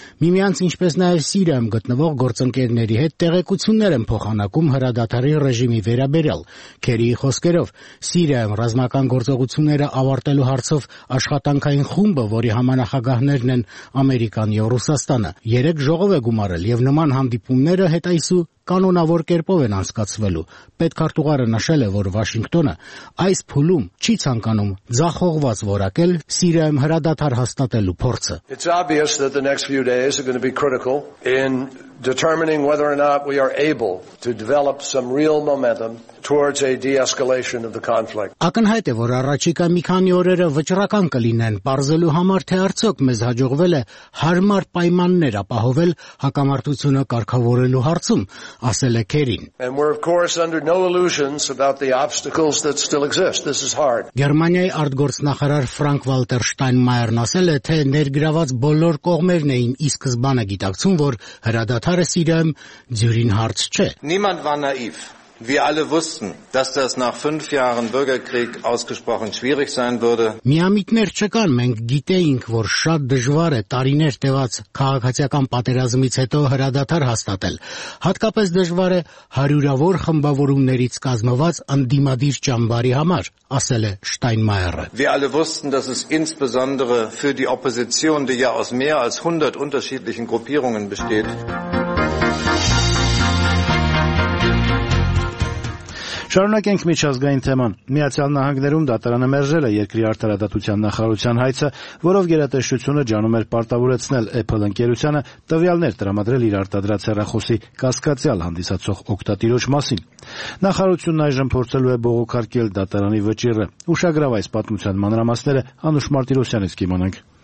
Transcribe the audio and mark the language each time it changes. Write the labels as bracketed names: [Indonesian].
[Armenian] միմյանց, ինչպես նաև Սիրիայում գտնվող գործընկերների հետ տեղեկություններ են փոխանակում հրադադարի ռեժիմի վերաբերյալ։ Քերիի խոսքերով, Սիրիայում ռազմական գործողությունները ավարտելու հարցով աշխատանքային խումբը, որի համանախագահներն են Ամերիկան և Ռուսաստանը, երեք ժողով է գումարել և նման հանդիպումները հետ այսու կանոնավոր կերպով են անցկացվելու։ Պետքարտուղարը նշել է, որ Վաշինգտոնը այս փուլում չի ցանկանում ձախողված որակել Սիրիայում հրադադար հաստատելու փորձը։ [English] It's obvious that the next few days are going to be critical in determining whether or not we are able to develop some real momentum towards a de-escalation of the conflict. [Armenian] Ակնհայտ է, որ առաջիկա մի քանի օրերը վճռական կլինեն պարզելու համար, թե արդյոք մեզ հաջողվել է հարմար պայմաններ ապահովել հակամարտությունը կարգավորելու հարցում, ասել է Քերին։ [English] And we're of course under no illusions about the obstacles that still exist. This is hard. [Armenian] Գերմանիայի արտգործնախարար Ֆրանկ-Վալտեր Շտայնմայերն ասել է, թե ներգրաված բոլոր կողմերն էին ի սկզբանե գիտակցում, որ հրադադարը Սիրիայում ձյուրին հարց չէ։ [German] Niemand war naiv. Wir alle wussten, dass das nach 5 Jahren Bürgerkrieg ausgesprochen schwierig sein würde. [Armenian] Միամիտներ չկան, մենք գիտեինք, որ շատ դժվար է տարիներ տևած քաղաքացիական պատերազմից հետո հրադադար հաստատել։ Հատկապես դժվար է հարյուրավոր խմբավորումներից կազմված անդիմադիր ճամբարի համար, ասել է Շտայնմայերը։ [German] Wir alle wussten, dass es insbesondere für die Opposition, die ja aus mehr als 100 unterschiedlichen Gruppierungen besteht, [Armenian] Շարունակենք միջազգային թեման։ Միացյալ Նահանգներում դատարանը մերժել է երկրի արտարադատության նախարարության հայցը, որով գերատեսչությունը ջանում էր պարտավորեցնել Apple ընկերությանը տվյալներ տրամադրել իր արտադրած հեռախոսի կասկածյալ հանդիսացող օգտատիրոջ մասին։ Նախարարությունն այժմ փորձելու է բողոքարկել դատարանի վճիռը։ Ուշագրավ այս պատմության մանրամասները Անուշ Մարտիրոսյանից կիմանանք։